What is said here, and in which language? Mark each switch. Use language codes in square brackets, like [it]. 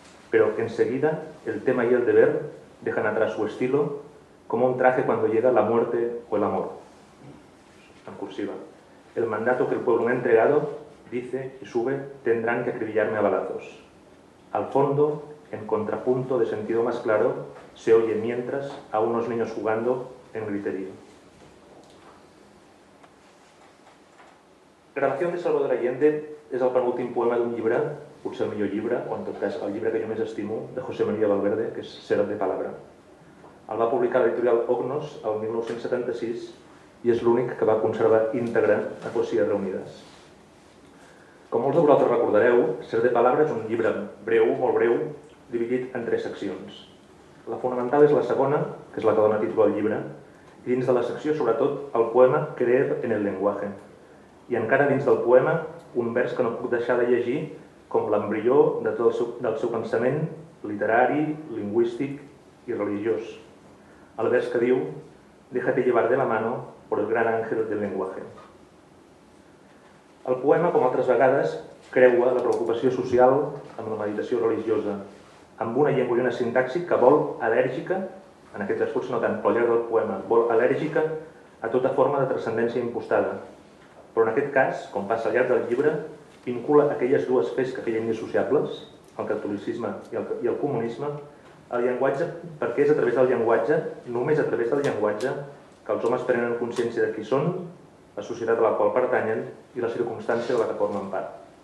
[es] Pero enseguida el tema y el deber dejan atrás su estilo como un traje cuando llega la muerte o el amor. En cursiva. El mandato que el pueblo me ha entregado, dice y sube, tendrán que acribillarme a balazos. Al fondo, en contrapunto de sentido más claro, se oye mientras a unos niños jugando en griterío. [ca] Grabación de Salvador Allende es el penúltim poema de un llibre, potser el millor llibre, o en tot cas el llibre que jo més estimo, de José María Valverde, que és Ser de Palabra. El va publicar l'editorial Ognos el 1976 i és l'únic que va conservar íntegre a Poesies Reunides. Com molts de vosaltres recordareu, Ser de Palabra és un llibre breu, molt breu, dividit en 3 seccions. La fonamental és la segona, que és la que dona títol al llibre, i dins de la secció, sobretot, el poema Creer en el lenguaje. I encara dins del poema, un vers que no puc deixar de llegir com l'embrió de tot el seu pensament literari, lingüístic i religiós. El vers que diu [es] «Déjate llevar de la mano por el gran ángel del lenguaje». [ca] El poema, com altres vegades, creua la preocupació social amb la meditació religiosa, amb una llengua i una sintaxi que vol al·lèrgica, en aquest esforç no tant, però al llarg del poema, vol al·lèrgica a tota forma de transcendència impostada. Però en aquest cas, com passa al llarg del llibre, vincula aquelles dues fes que feien indissociables, el catolicisme i el comunisme, al llenguatge, perquè és a través del llenguatge, només a través del llenguatge, que els homes prenen consciència de qui són, la societat a la qual pertanyen i la circumstància de la que formen part.